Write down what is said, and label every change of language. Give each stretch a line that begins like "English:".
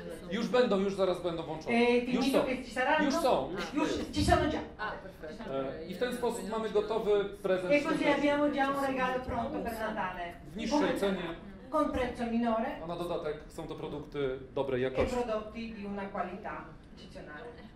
Polish: Już będą, już zaraz będą włączone. Już są. Już są. Już
Italian: ci sono già.
Polish: I w ten sposób mamy gotowy prezent.
Italian: E così abbiamo già un regalo pronto per Natale.
Polish: W niższej cenie.
Italian: Con prezzo minore.
Polish: A na dodatek są to produkty dobrej jakości.
Italian: I prodotti di una qualità eccezionale.